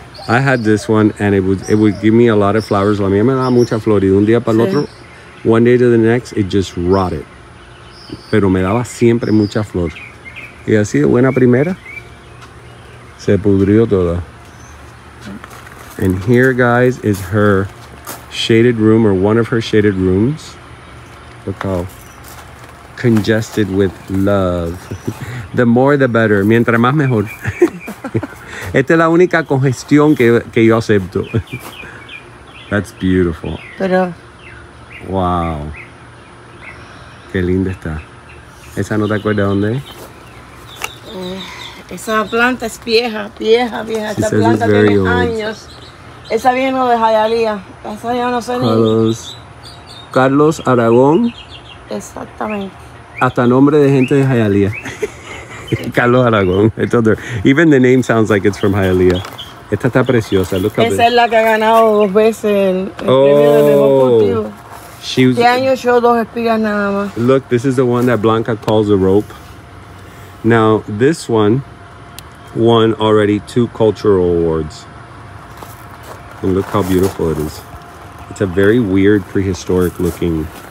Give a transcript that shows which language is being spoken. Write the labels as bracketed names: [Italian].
[English] I had this one and it would give me a lot of flowers. [Spanish] La mía me daba mucha florida un día para el otro. [English] One day to the next, it just rotted. [Spanish] Pero me daba siempre mucha flor. Y así de buena primera, se pudrió toda. [English] And here, guys, is her shaded room or one of her shaded rooms. Look how congested with love. The more the better. [Spanish] Mientras más mejor. Esta es la única congestión que yo acepto. [English] That's beautiful. [Spanish] Pero. Wow. Qué linda está. ¿Esa no te acuerdas dónde es? Esa planta es vieja. Esta planta tiene años. Esa vino de Jayalía. Esa ya no sé ni. Carlos Aragón. Exactamente. Hasta nombre de gente de Hialeah. Carlos Aragón. [English] Even the name sounds like it's from Hialeah. [Spanish] Esta está preciosa. Look esa es la que ha ganado dos veces el premio del deportivo. Este año yo dos espigas nada más. [English] Look, this is the one that Blanca calls a rope. Now, this one won already two cultural awards. And look how beautiful it is. It's a very weird prehistoric looking.